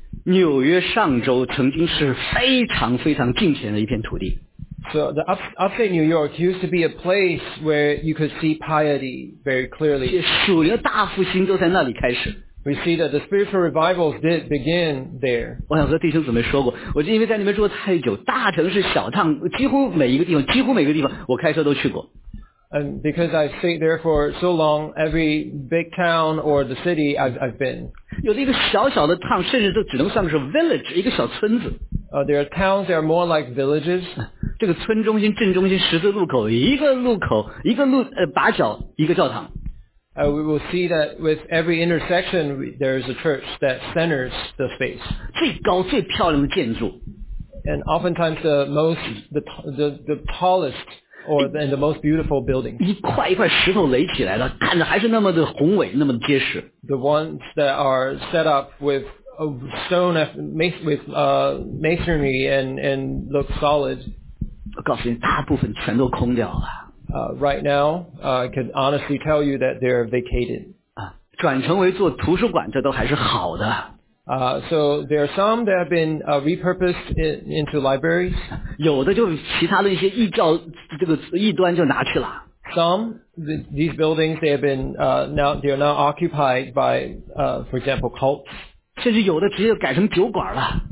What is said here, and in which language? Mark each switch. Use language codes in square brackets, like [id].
[zh] 纽约上周曾经是非常非常敬虔的一片土地。 [en] So the upstate New York used to be a place where you could see piety very clearly. [zh] 属灵的大复兴都在那里开始。 [en] We see that the spiritual revivals did begin there. [zh] 我想和弟兄姊妹说过，我就因为在那边住了太久，大城市小趟，几乎每个地方，我开车都去过。 [en] And because I stayed there for so long, every big town or the city I've been. [zh] 有一个小小的 town， 甚至都只能算是 village， 一个小村子。 [en] There are towns that are more like villages. [zh] 这个村中心、镇中心、十字路口，一个路口，一个教堂。 [en] We will see that with every intersection, there is a church that centers the space. [zh] 最高最漂亮的建筑。 [en] And oftentimes the tallest and the most beautiful building. [zh] 一块一块石头垒起来的，看着还是那么的宏伟，那么结实。 [en] The ones that are set up with. Stone with masonry and look solid. [zh] 我告诉你，大部分全都空掉了。 [en] Right now, I can honestly tell you that they're vacated. [zh] 转成为做图书馆，这都还是好的。 [en] So there are some that have been repurposed into libraries. [zh] 有的就其他的一些异教这个异端就拿去了。 [en] Some these buildings they have been now they are now occupied by for example cults. [zh] 甚至有的直接改成酒馆了